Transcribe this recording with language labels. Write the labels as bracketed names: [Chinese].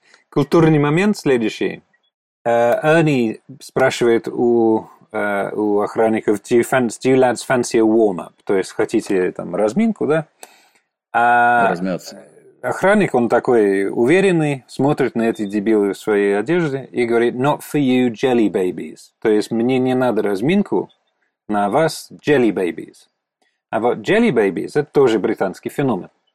[Russian] Культурный момент следующий. Эрни спрашивает у охранников, [English] do you lads fancy a warm-up? [Russian] То есть, хотите там разминку, да? Размяться. Охранник, он такой уверенный, смотрит на эти дебилы в своей одежде и говорит [English] «Not for you, jelly babies». [Russian] То есть, мне не надо разминку, на вас jelly babies. А вот jelly babies – это тоже британский феномен.